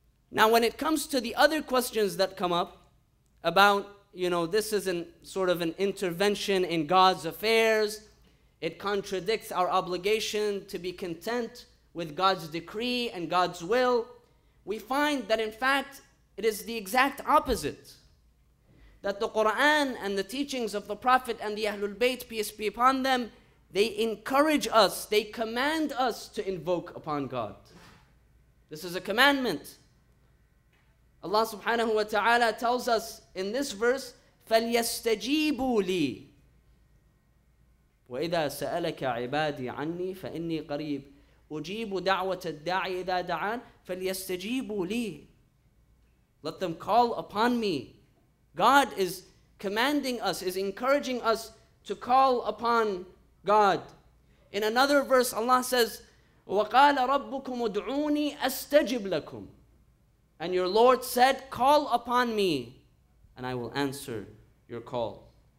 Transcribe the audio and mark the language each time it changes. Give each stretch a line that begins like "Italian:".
English: Now, when it comes to the other questions that come up about, you know, this is an sort of an intervention in God's affairs, it contradicts our obligation to be content with God's decree and God's will, we find that in fact, it is the exact opposite. That the Quran and the teachings of the Prophet and the Ahlul Bayt, peace be upon them, they encourage us, they command us to invoke upon God. This is a commandment. Allah subhanahu wa ta'ala tells us in this verse,
Arabic: فَلْيَسْتَجِيبُوا لِي وَإِذَا سَأَلَكَ عِبَادِي عَنِّي فَإِنِّي قَرِيبٌ أُجِيبُ دَعْوَةَ الدَّاعِ إِذَا دَعَانَ فَلْيَسْتَجِيبُوا لِي.
English: Let them call upon me. God is commanding us, is encouraging us to call upon God. In another verse, Allah says,
Arabic: وَقَالَ رَبُّكُمُ ادْعُونِي أَسْتَجِبْ لَكُمْ.
English: And your Lord said, call upon me, and I will answer your call.